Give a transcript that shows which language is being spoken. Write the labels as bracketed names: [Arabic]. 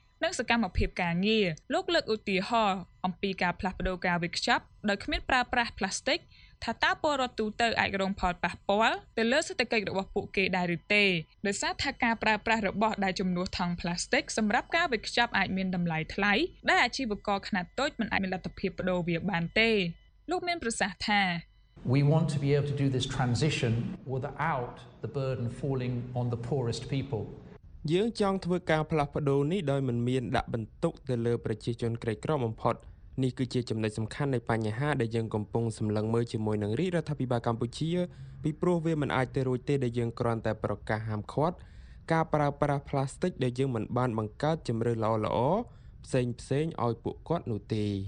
[Khmer] និងសកម្មភាពការងារលោកលើកឧទាហរណ៍អំពីការផ្លាស់ប្តូរការវេចខ្ចប់ដោយគ្មានប្រើប្រាស់ផ្លាស្ទិកថាតើពលរដ្ឋទូទៅអាចរងផលប៉ះពាល់ទៅលើសេដ្ឋកិច្ចរបស់ពួកគេដែរឬទេដោយសារថាការប្រើប្រាស់របស់ដែលជំនួសថង់ផ្លាស្ទិកសម្រាប់ការវេចខ្ចប់អាចមានតម្លៃថ្លៃដែលអាជីវករខ្នាតតូចមិនអាចមានលទ្ធភាពប្តូរវាបានទេលោកមានប្រសាសន៍ថា [English] We want to be able to do this transition without the burden falling on the poorest people [Khmer] យើងចង់ធ្វើការផ្លាស់ប្តូរនេះដោយមិនមានដាក់បន្ទុកទៅលើប្រជាជនក្រីក្របំផុតនេះគឺជាចំណុចសំខាន់នៃបញ្ហាដែលយើងកំពុងសម្លឹងមើលជាមួយនឹងរាជរដ្ឋាភិបាលកម្ពុជាពីព្រោះវាមិនអាចទៅរួចទេដែលយើងគ្រាន់តែប្រកាសហាមឃាត់ការប្រើប្រាស់ផ្លាស្ទិកដែលយើងមិនបានបង្កើតជំរឿនល្អៗផ្សេងផ្សេងឲ្យពួកគាត់នោះទេ